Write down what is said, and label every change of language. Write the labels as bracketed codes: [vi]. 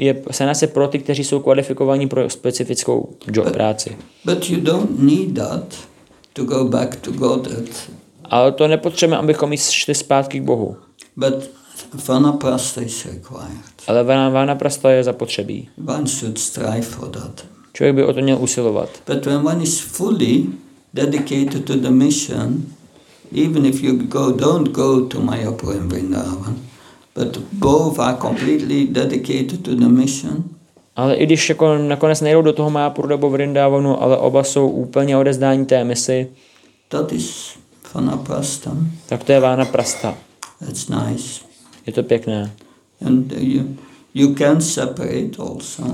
[cs] Sannyas je pro ty, kteří jsou kvalifikovaní pro specifickou job práci. [en] But you don't need that to go back to Godhead. [cs] Ale to nepotřebujeme, abychom šli zpátky k Bohu. [en] But Vanaprastha is required. [cs] Ale Vanaprastha je zapotřebí. [en] One should strive for that. [cs] Člověk by o to měl usilovat. [en] But when one is fully dedicated to the mission, even if you don't go to Mayapur and Vrindavan, but both are completely dedicated to the mission. [cs] Ale i když jako nakonec nejdou do toho Mayapuru nebo Vrindavanu, ale oba jsou úplně odezdání té misi. [en] That is Vanaprastha. [cs] Tak to je Vanaprastha. [en] That's nice. [cs] Je to pěkné. [en] And you can separate also.